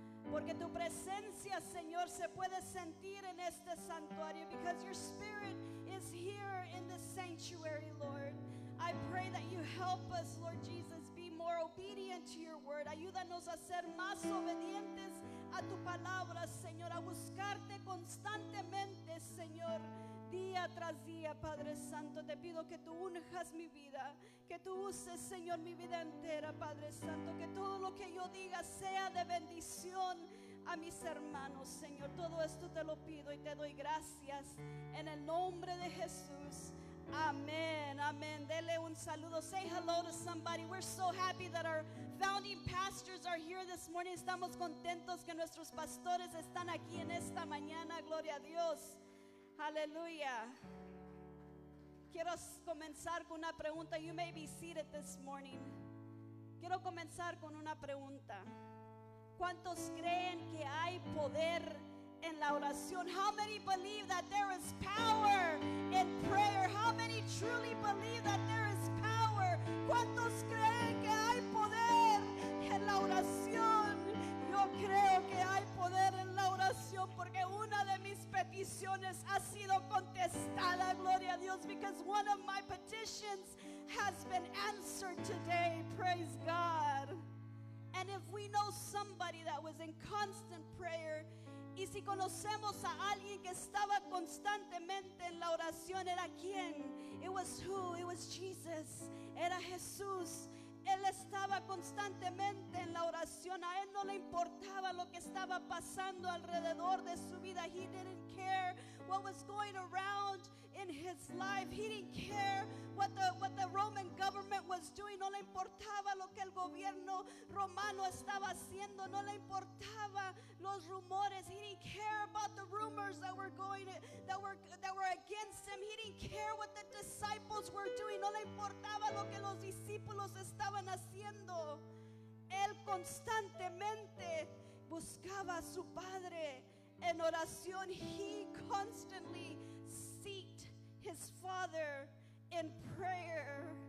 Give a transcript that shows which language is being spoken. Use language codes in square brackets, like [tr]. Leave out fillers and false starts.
[es] Porque tu presencia, Señor, se puede sentir en este santuario. [en] Because your spirit is here in the sanctuary, Lord. I pray that you help help us, Lord Jesus, be more obedient to your word. [es] Ayúdanos a ser más obedientes a tu palabra, Señor, a buscarte constantemente, Señor, día tras día, Padre Santo. Te pido que tú unjas mi vida, que tú uses, Señor, mi vida entera, Padre Santo, que todo lo que yo diga sea de bendición a mis hermanos, Señor. Todo esto te lo pido y te doy gracias en el nombre de Jesús. Amén, amén. Dele un saludo. [en] Say hello to somebody. We're so happy that our founding pastors are here this morning. [es] Estamos contentos que nuestros pastores están aquí en esta mañana. Gloria a Dios. Aleluya. Quiero comenzar con una pregunta. [en] You may be seated this morning. [es] Quiero comenzar con una pregunta. ¿Cuántos creen que hay poder en la oración? [en] How many believe that there is power in prayer? How many truly believe that there is power? [es] ¿Cuántos creen que hay poder en la oración? Yo creo que hay poder en la oración porque una de mis peticiones ha sido contestada, gloria a Dios, [en] because one of my petitions has been answered today, praise God. And if we know somebody that was in constant prayer, [es] y si conocemos a alguien que estaba constantemente en la oración, ¿era quién? [en] It was who? It was Jesus. [es] Era Jesús. Él estaba constantemente en la oración. A él no le importaba lo que estaba pasando alrededor de su vida. [en] He didn't care what was going around in his life. He didn't care what the Roman government was doing. [es] No le importaba lo que el gobierno romano estaba haciendo. No le importaba los rumores. [en] He didn't care about the rumors that were against him. He didn't care what the disciples were doing. [es] No le importaba lo que los discípulos estaban haciendo. Él constantemente buscaba a su Padre en oración. [en] He constantly sought his Father in prayer.